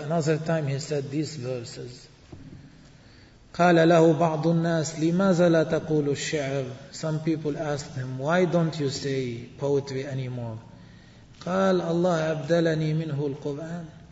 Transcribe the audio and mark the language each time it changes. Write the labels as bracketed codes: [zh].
[en] Another time he said these verses. [ar] قال له بعض الناس لماذا لا تقول الشعر. [en] Some people asked him, why don't you say poetry anymore? [ar] قال الله أبدلني منه القرآن.